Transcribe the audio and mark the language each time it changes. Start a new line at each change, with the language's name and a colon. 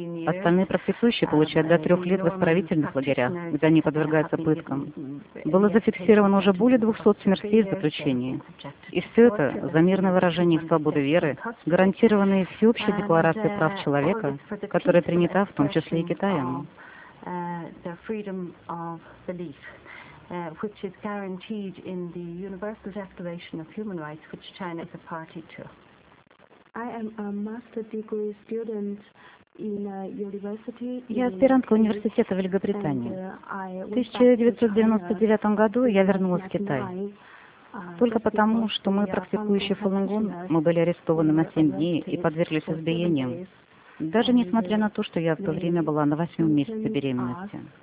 Russian: Остальные практикующие получают до 3 лет в исправительных лагерях, где они подвергаются пыткам. Было зафиксировано уже более 200 смертей в заключении. И все это за мирное выражение свободы веры, гарантированные всеобщей декларацией прав человека, которая принята в том числе и Китаем.
English: The freedom of belief, which is guaranteed in the Universal Declaration of Human Rights, which China is a party to. I am a master's degree student in a university.
Russian: Я аспирантка университета Великобритании. В 1999 году я вернулась в Китай. Только потому, что мы практикующие фалунгун, мы были арестованы на 7 дней и подверглись избиениям. Даже несмотря на то, что я в то время была на 8-м месяце беременности.